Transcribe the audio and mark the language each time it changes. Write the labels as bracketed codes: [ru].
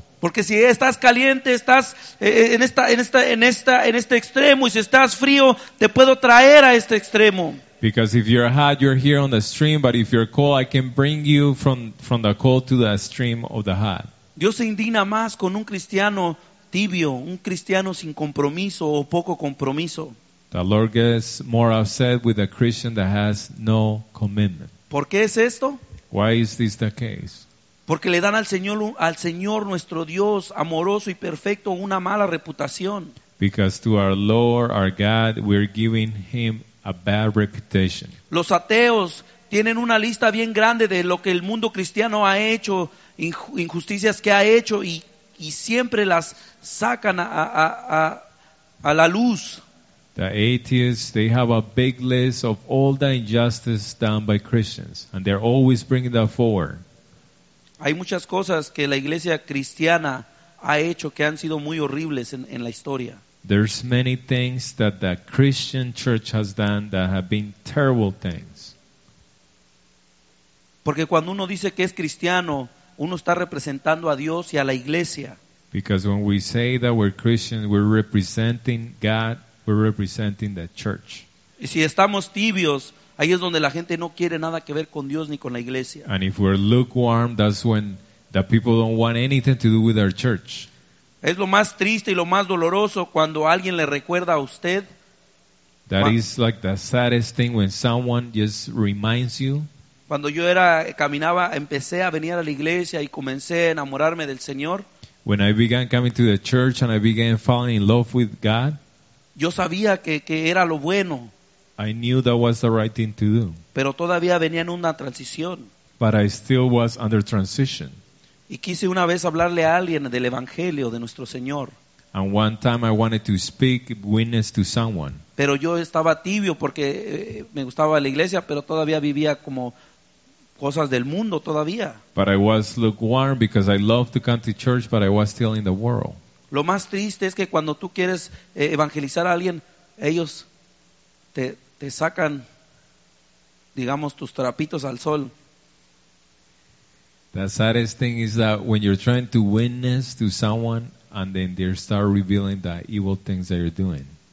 [es] Porque si estás caliente, estás en este extremo, y si estás frío, te puedo traer a este extremo. [en] Because if you're hot, you're here on the stream, but if you're cold, I can bring you from the cold to the stream of the hot. [es] Dios se indigna más con un cristiano tibio, un cristiano sin compromiso o poco compromiso. [en] The Lord gets more upset with a Christian that has no commitment. [es] ¿Por qué es esto? [en] Why is this the case? [es] Porque le dan al Señor nuestro Dios amoroso y perfecto una mala reputación. [en] Because to our Lord, our God, we're giving him a bad reputation. [es] Los ateos tienen una lista bien grande de lo que el mundo cristiano ha hecho, injusticias que ha hecho, y siempre las sacan a la luz. [en] The atheists, they have a big list of all the injustices done by Christians, and they're always bringing that forward. [es] Hay muchas cosas que la iglesia cristiana ha hecho que han sido muy horribles en la historia. [en] There's many things that the Christian church has done that have been terrible things. [es] Porque cuando uno dice que es cristiano, uno está representando a Dios y a la iglesia. [en] Because when we say that we're Christian, we're representing God, we're representing the church. [es] Y si estamos tibios, ahí es donde la gente no quiere nada que ver con Dios ni con la iglesia. [en] And if we're lukewarm, that's when the people don't want anything to do with our church. [es] Es lo más triste y lo más doloroso cuando alguien le recuerda a usted. [en] That is like the saddest thing when someone just reminds you. [es] Cuando yo empecé a venir a la iglesia y comencé a enamorarme del Señor. [en] When I began coming to the church and I began falling in love with God. [es] Yo sabía que era lo bueno. [en] I knew that was the right thing to do. [es] Pero todavía venía en una transición. [en] But I still was under transition. [es] Y quise una vez hablarle a alguien del evangelio de nuestro Señor. [en] And one time I wanted to speak witness to someone. [es] Pero yo estaba tibio porque me gustaba la iglesia, pero todavía vivía como cosas del mundo todavía. [en] But I was lukewarm because I loved to come to church, but I was still in the world. [es] Lo más triste es que cuando tú quieres evangelizar a alguien, ellos te sacan, digamos, tus trapitos al sol. [en] The saddest thing is that when you're trying to witness to someone and then they start revealing the evil things that you're doing.